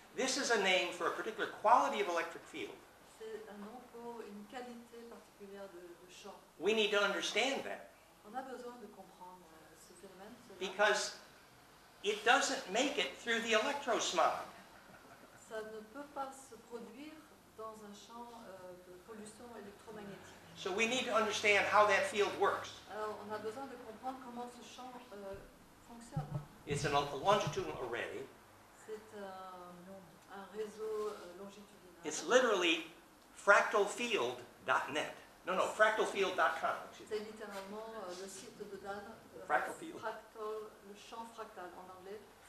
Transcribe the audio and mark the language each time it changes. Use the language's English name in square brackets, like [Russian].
[English] This is a name for a particular quality of electric field. [French] C'est un nom pour une qualité particulière de champ. [English] We need to understand that. [French] On a besoin de comprendre ce phénomène. [English] Because it doesn't make it through the electrosmog. [French] Ça ne peut pas se produire dans un champ de pollution électromagnétique. [English] So we need to understand how that field works. [French] Alors, on a besoin de comprendre comment ce champ fonctionne. [English] It's a longitudinal array. [French] C'est un réseau longitudinal. [English] It's literally fractalfield.net. No, fractalfield.com. [French] C'est littéralement le site de Dan. [English] Fractalfield. [French] Fractal, le champ fractal en anglais.